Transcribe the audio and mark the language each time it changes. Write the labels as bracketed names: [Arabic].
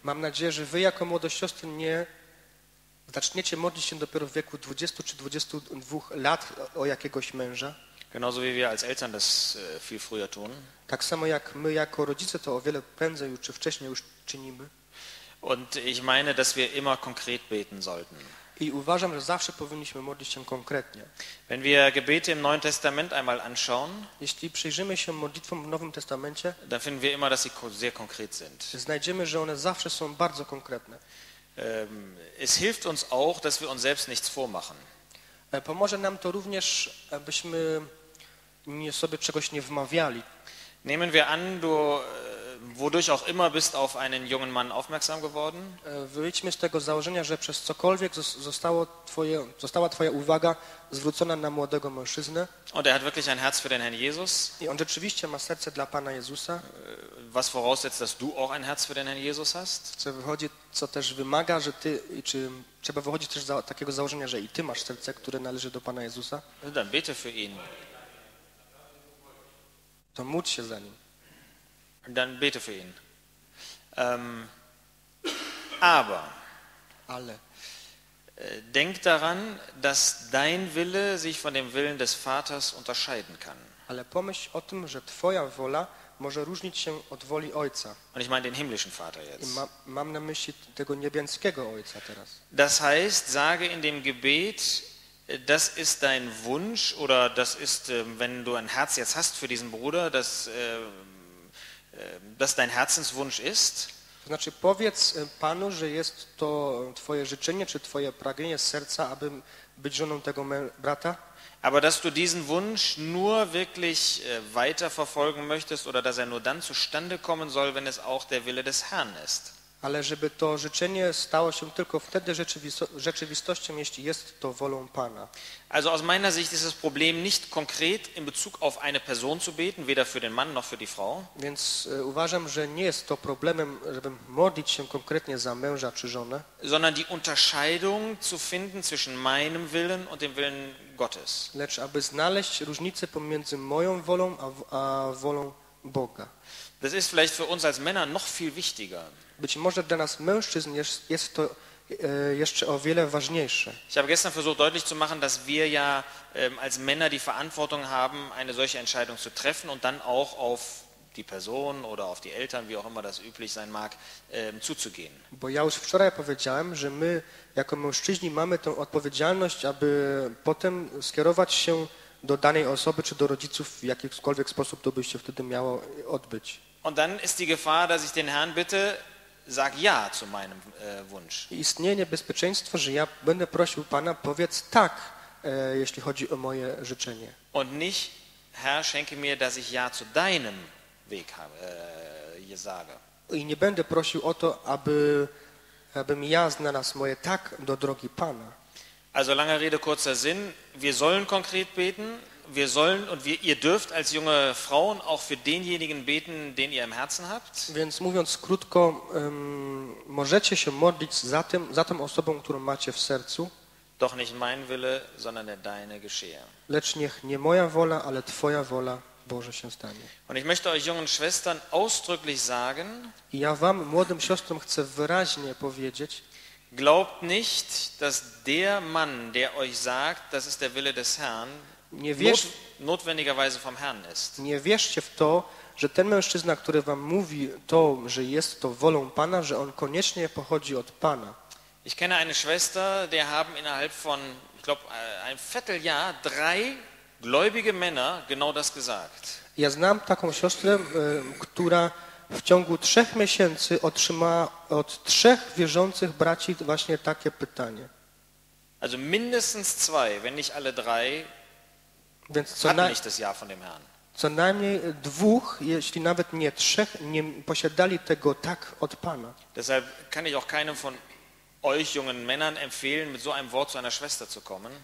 [Polish] Mam nadzieję, że wy jako młode siostry nie zaczniecie modlić się dopiero w wieku 20 czy 22 lat o jakiegoś męża. [German] Genauso wie wir als Eltern das viel früher tun. [Polish] Tak samo jak my jako rodzice to o wiele prędzej czy wcześniej już czynimy. [German] Und ich meine, dass wir immer konkret beten sollten. [Polish] I uważam, że zawsze powinniśmy modlić się konkretnie. [German] Wenn wir Gebete im Neuen Testament einmal anschauen, [Polish] jeśli przyjrzymy się modlitwom w Nowym Testamencie, [German] dann finden wir immer, dass sie sehr konkret sind. [Polish] Znajdziemy, że one zawsze są bardzo konkretne. [German] Es hilft uns auch, dass wir uns selbst nichts vormachen. [Polish] Pomoże nam to również, abyśmy nie sobie czegoś nie wmawiali. [German] Nehmen wir an, du wodurch auch immer bist auf einen jungen Mann aufmerksam geworden. [Polish] Wyjdźmy z tego założenia, że przez cokolwiek została twoja uwaga zwrócona na młodego mężczyznę. [German] Und er hat wirklich ein Herz für den Herrn Jesus. [Polish] I on rzeczywiście ma serce dla Pana Jezusa. [German] Was voraussetzt, dass du auch ein Herz für den Herrn Jesus hast. [Polish] Co też wymaga, że ty, czy trzeba wychodzić też z takiego założenia, że i ty masz serce, które należy do Pana Jezusa. [German] Dann bete für ihn. [Polish] To módl się za nim. [German] Dann bete für ihn. Aber alle. Denk daran, dass dein Wille sich von dem Willen des Vaters unterscheiden kann. [Polish] Ale pomyśl o tym, że twoja wola może różnić się od woli Ojca. [German] Und ich meine den himmlischen Vater jetzt. [Polish] Mam na myśli tego niebiańskiego Ojca teraz. [German] Das heißt, sage in dem Gebet, das ist dein Wunsch, oder das ist, wenn du ein Herz jetzt hast für diesen Bruder, dass dein Herzenswunsch ist. [Polish] To znaczy, powiedz Panu, że jest to twoje życzenie, czy twoje pragnienie z serca, aby być żoną tego brata. [German] Aber dass du diesen Wunsch nur wirklich weiter verfolgen möchtest, oder dass er nur dann zustande kommen soll, wenn es auch der Wille des Herrn ist. [Polish] Ale żeby to życzenie stało się tylko wtedy rzeczywistością, jeśli jest to wolą Pana. [German] Also aus meiner Sicht ist das Problem nicht konkret in Bezug auf eine Person zu beten, weder für den Mann noch für die Frau. [Polish] Więc uważam, że nie jest to problemem, żeby modlić się konkretnie za męża czy żonę, [German] sondern die Unterscheidung zu finden zwischen meinem Willen und dem Willen Gottes. [Polish] Lecz aby znaleźć różnicę pomiędzy moją wolą a wolą Boga. [German] Das ist vielleicht für uns als Männer noch viel wichtiger. [Polish] Być może dla nas mężczyzn jest to jeszcze o wiele ważniejsze. [German] Ich habe gestern versucht deutlich zu machen, dass wir ja als Männer die Verantwortung haben, eine solche Entscheidung zu treffen und dann auch auf die Person oder auf die Eltern, wie auch immer das üblich sein mag, zuzugehen. [Polish] Bo ja już wczoraj powiedziałem, że my jako mężczyźni mamy tę odpowiedzialność, aby potem skierować się do danej osoby czy do rodziców w jakikolwiek sposób to by się wtedy miało odbyć. [German] Und dann ist die Gefahr, dass ich den Herrn bitte, sag ja zu meinem Wunsch. [Polish] Istnieje niebezpieczeństwo, że ja będę prosił Pana, powiedz tak, jeśli chodzi o moje życzenie. [German] Und nicht, Herr, schenke mir, dass ich ja zu deinem Weg sage. [Polish] I nie będę prosił o to, abym ja znalazł moje tak do drogi Pana. [German] Also lange Rede, kurzer Sinn. Wir sollen konkret beten. Wir sollen und ihr dürft als junge Frauen auch für denjenigen beten, den ihr im Herzen habt. [Polish] Więc mówiąc krótko, możecie się modlić za tą osobą, którą macie w sercu. [German] Doch nicht mein Wille, sondern deine geschehe. [Polish] Lecz niech nie moja wola, ale twoja wola, Boże, się stanie. [German] Und ich möchte euch jungen Schwestern ausdrücklich sagen, [Polish] i ja wam, młodym siostrom, chcę wyraźnie powiedzieć, [German] glaubt nicht, dass der Mann, der euch sagt, das ist der Wille des Herrn, notwendigerweise vom Herrn ist. [Polish] Nie wierzcie w to, że ten mężczyzna, który wam mówi to, że jest to wolą Pana, że on koniecznie pochodzi od Pana. [German] Ich kenne eine Schwester, der haben innerhalb von, ich glaube, ein Vierteljahr drei gläubige Männer genau das gesagt. [Polish] Ja znam taką siostrę, która w ciągu trzech miesięcy otrzymała od trzech wierzących braci właśnie takie pytanie. [German] Also mindestens zwei, wenn nicht alle drei, hatten nicht das Jahr von dem Herrn. [Polish] Co najmniej dwóch, jeśli nawet nie trzech, nie posiadali tego tak od Pana. [German] Deshalb kann ich auch keinem von euch jungen Männern empfehlen, mit so einem Wort zu einer Schwester zu kommen.